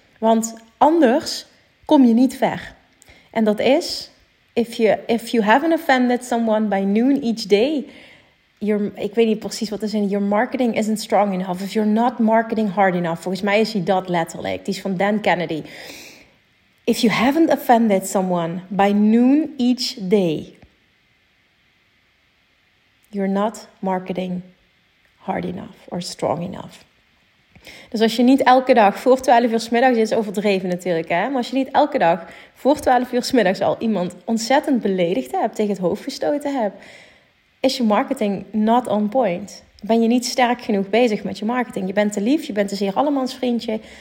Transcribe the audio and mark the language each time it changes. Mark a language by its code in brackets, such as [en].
[nl] Want anders kom je niet ver. En dat is, [en] if you haven't offended someone by noon each day, [nl] ik weet niet precies wat er zit. [en] Your marketing isn't strong enough. If you're not marketing hard enough. [nl] Volgens mij is hij dat letterlijk. Die is van Dan Kennedy. [en] If you haven't offended someone by noon each day, you're not marketing hard enough or strong enough. [nl] Dus als je niet elke dag voor 12 uur 's middags, is overdreven natuurlijk, hè? Maar als je niet elke dag voor 12 uur 's middags al iemand ontzettend beledigd hebt, tegen het hoofd gestoten hebt, is je marketing [en] not on point. [nl] Ben je niet sterk genoeg bezig met je marketing? Je bent te lief, je bent een zeer allemans vriendje.